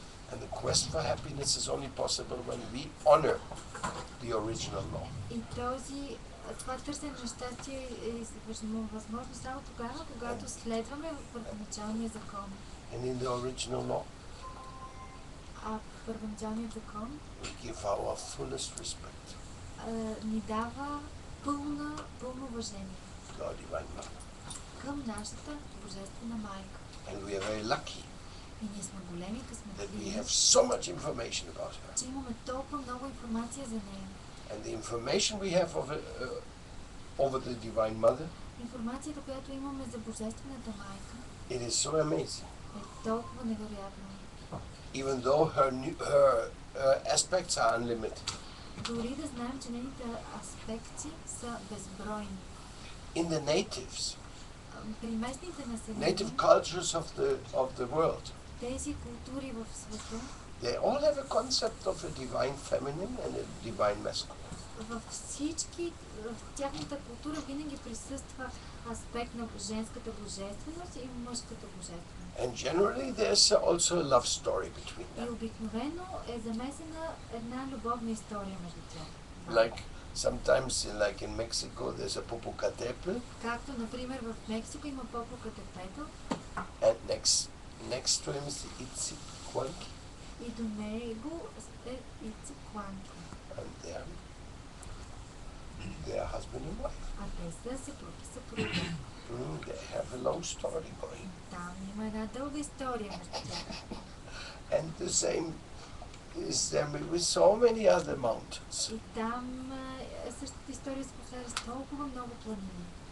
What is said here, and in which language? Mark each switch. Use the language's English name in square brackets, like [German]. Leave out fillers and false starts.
[English] And the quest for happiness is only possible when we honor the original law. [Bulgarian] Това търсене на щастие е възможно само тогава, когато следваме първоначалния закон. [English] And in the original law, [Bulgarian] а в първоначалния закон [English] we give our fullest respect. [Bulgarian] Ни дава пълно уважение [English] God, Divine Mother. [Bulgarian] Към нашата Божествена майка. [English] And we are very lucky. [Bulgarian] И ние сме големи късметли, [English] that we have so much information about her. [Bulgarian] Че имаме толкова много информация за нея. [English] And the information we have over the Divine Mother, [Bulgarian] информацията, която имаме за Божествената майка, [English] it is so amazing. [Bulgarian] Е толкова невероятно. [English] Even though her aspects are unlimited. [Bulgarian] Дори да знаем, че нейните аспекти са безбройни. [English] In the natives, [Bulgarian] при местните населени, [English] native cultures of the world, [Bulgarian] тези култури в света, [English] they all have a concept of a divine feminine and a divine masculine. [Bulgarian] във всички, в тяхната култура винаги присъства аспект на женската божественост и мъжката божественост. [English] And generally there's also a love story between them. [Bulgarian] И обикновено е замесена една любовна история между тях. [English] Like sometimes like in Mexico there's a Popocatépetl. [Bulgarian] Както например в Мексико има Попокатепетъл. [English] And next to him is Itzcoatl. [Bulgarian] И до него е Itzcoatl. [English] And they are husband and wife. [Bulgarian] А те са съпруги, съпруги. [English] They have a long story going. [Bulgarian] Там има една дълга история между тях. [English] And the same is there with so many other mountains. [Bulgarian] И там същата история се повтаря с толкова много планини.